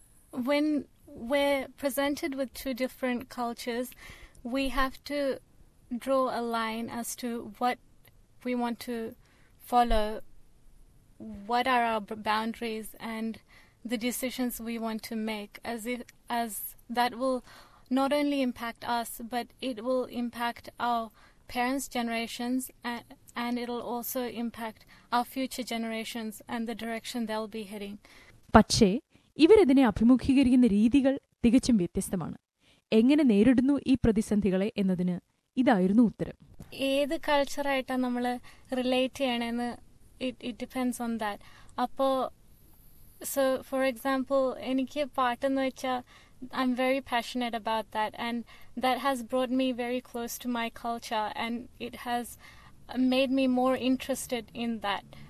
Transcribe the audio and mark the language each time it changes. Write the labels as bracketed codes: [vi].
[en] When we're presented with two different cultures, we have to draw a line as to what we want to follow, what are our boundaries and the decisions we want to make, as that will not only impact us, but it will impact our parents' generations, and it'll also impact our future generations and the direction they'll be heading. [ml] പക്ഷേ ഇവരിതിനെ അഭിമുഖീകരിക്കുന്ന രീതികൾ തികച്ചും വ്യത്യസ്തമാണ്. എങ്ങനെ നേരിടുന്നു ഈ പ്രതിസന്ധികളെ എന്നതിന് ഇതായിരുന്നു ഉത്തരം. ഏത് കൾച്ചറായിട്ടാണ് നമ്മൾ റിലേറ്റ് ചെയ്യണമെന്ന് [en] It depends on that. [ml] അപ്പോൾ സോ ഫോർ എക്സാമ്പിൾ എനിക്ക് പാട്ടെന്ന് വെച്ചാൽ [en] I'm very passionate about that, and that has brought me very close to my culture, and it has made me more interested in that.